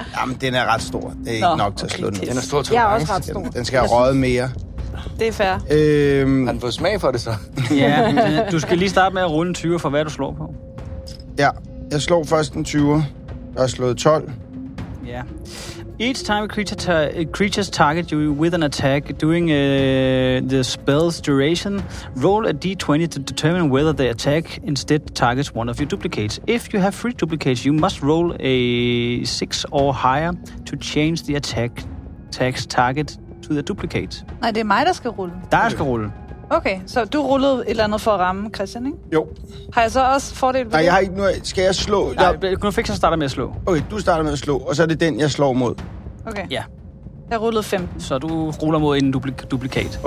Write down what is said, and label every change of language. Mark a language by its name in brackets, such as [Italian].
[Danish] Jamen, den er ret stor. Det er ikke nok til at slå den. Den er stor 2 gange. Jeg er også ret stor. Den skal have røget mere. Det er fair. Har den fået smag for det så? Ja, du skal lige starte med at runde 20 for, hvad du slår på. Ja, jeg slår først en 20. Jeg har slået 12. Ja. [English] Each time a creature creature's target you with an attack during the spell's duration, roll a d20 to determine whether the attack instead targets one of your duplicates. If you have three duplicates, you must roll a 6 or higher to change the attack's target to the duplicate. [Danish] Nej, det er mig, der skal rulle. Der skal rulle. Okay, så du rullede et eller andet for at ramme Christian, ikke? Jo. Har jeg så også fordel ved det? Nej, jeg har ikke noget. Skal jeg slå? Nej, kunne du fikse at starte med at slå? Okay, du starter med at slå, og så er det den, jeg slår mod. Okay. Ja. Jeg rullede 15. Så du ruller mod en duplikat.